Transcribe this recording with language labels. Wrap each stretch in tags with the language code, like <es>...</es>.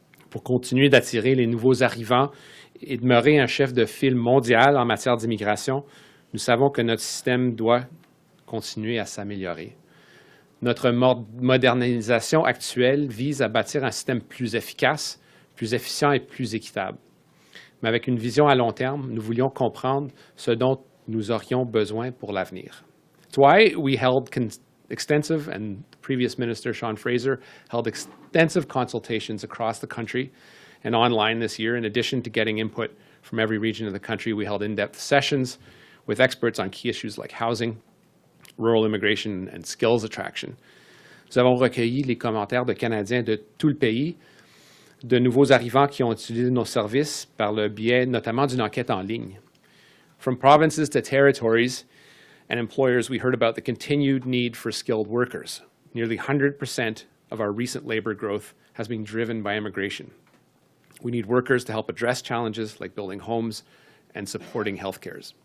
<fr>Pour continuer d'attirer les nouveaux arrivants et demeurer un chef de file mondial en matière d'immigration, nous savons que notre système doit continuer à s'améliorer. Notre modernisation actuelle vise à bâtir un système plus efficace, plus efficient et plus équitable. Mais avec une vision à long terme, nous voulions comprendre ce dont nous aurions besoin pour l'avenir.</fr> <en>That's why we held extensive, and the previous minister, Sean Fraser, held extensive consultations across the country and online this year. In addition to getting input from every region of the country, we held in-depth sessions with experts on key issues like housing, rural immigration, and skills attraction.</en> <fr>Nous avons recueilli les commentaires de Canadiens de tout le pays, de nouveaux arrivants qui ont utilisé nos services par le biais notamment d'une enquête en ligne.</fr> <en>From provinces to territories and employers, we heard about the continued need for skilled workers. Nearly 100% of our recent labor growth has been driven by immigration. We need workers to help address challenges like building homes and supporting healthcare.</en>